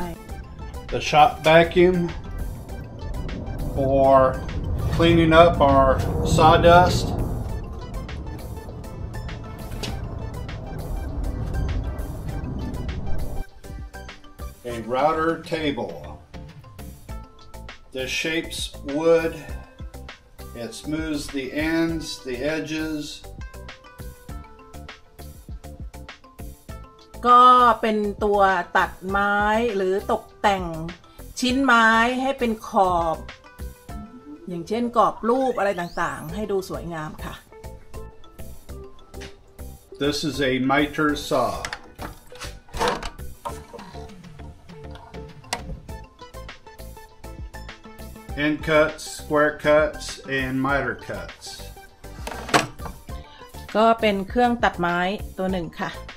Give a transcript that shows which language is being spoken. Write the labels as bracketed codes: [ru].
[en] The shop vacuum for cleaning up our sawdust a router table this shapes wood it smooths the ends the edges [th] ก็เป็นตัวตัดไม้หรือตกแต่งชิ้นไม้ให้เป็นขอบอย่างเช่นกรอบรูปอะไรต่างๆให้ดูสวยงามค่ะ [en] This is a miter saw end cuts, square cuts and miter cuts [th] ก็เป็นเครื่องตัดไม้ตัวหนึ่งค่ะ